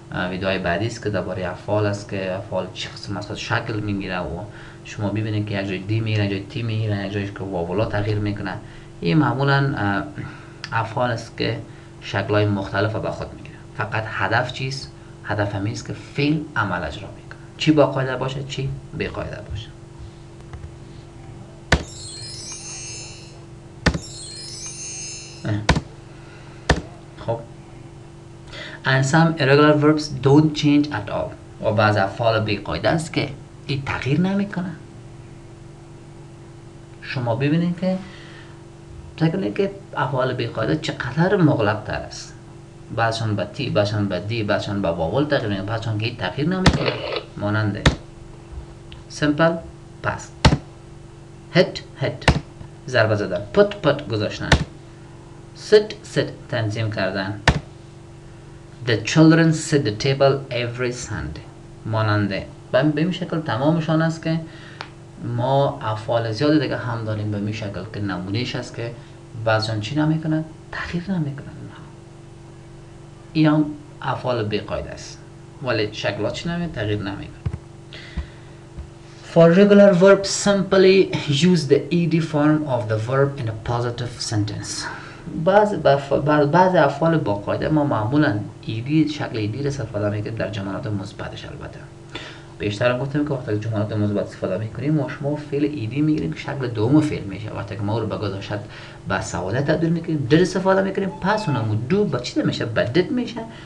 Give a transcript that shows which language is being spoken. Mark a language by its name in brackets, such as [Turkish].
[Persian] ویدیوی بعدی است که درباره افعال است که افعال چه قسمت شکل می گیره و شما ببینید که یک جای دی میره یک جای تی میره یک جایی که واولا تغییر میکنه. این معمولا افعال است که شکلهای مختلف به خود میگیره. فقط هدف چیست؟ هدف همین است که فعل عمل اجرا میکنه. چی با قاعده باشه چی بی قاعده باشه. [English] خب and some irregular verbs don't change at all. [Persian] و بعض افعال بی قاعده است که این تغییر نمیکنه. شما ببینید که تکنه که افعال بی قاعده چقدر مغلق تر است. بعضشان به تی، بعضشان به دی، بعضشان به واول تغییر میکنه، بعضشان که تغییر نمیکنه. ماننده سمپل پاس هت هت ضربه زدن پت پت گذاشتن سیت سیت تنظیم کردن [English] The children sit the table every Sunday. [Persian] ماننده به این شکل تمامشان است که ما افعال زیادی دیگه هم داریم به می شکل که نمونهش است که بعضیان چی نمیکنن؟ تغییر نمیکنن. این هم افعال بی قاعده است ولی شکل ها چی نمیکنن؟ تغییر نمیکنن. [English] For regular verbs simply use the ed form of the verb in a positive sentence. [Persian] بعض افعال با قاعده ما معمولا ایدی شکل ایدی را استفاده میکنیم در جملات مثبتش. البته بیشتر هم گفتم که وقتی جملات مثبت استفاده میکنیم ما شما فعل ایدی میگیریم که شکل دوم فعل میشه. وقتی که ما رو به گذاشت به سواله تبدیل میکنیم در استفاده میکنیم پس اونمو دو با چی میشه بدت میشه.